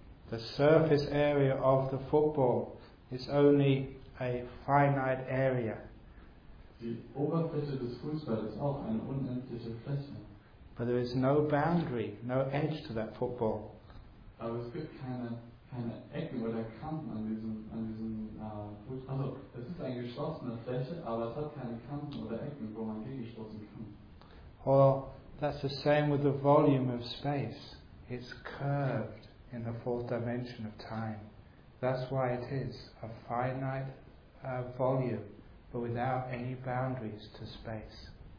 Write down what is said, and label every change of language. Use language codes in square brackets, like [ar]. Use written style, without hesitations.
[en] The surface area of the football is only a finite area. [de] Die Oberfläche des Fußballs ist auch eine unendliche Fläche. [en] But there is no boundary, no edge to that football. [de] Aber es gibt keine Ecken oder Kanten an diesem Fußball. Also es ist eine geschlossene Fläche, aber es hat keine Kanten oder Ecken, wo man gegenstoßen kann. [en] Or that's the same with the volume of space. It's curved in the fourth dimension of time. That's why it is a finite volume, but without any boundaries to space.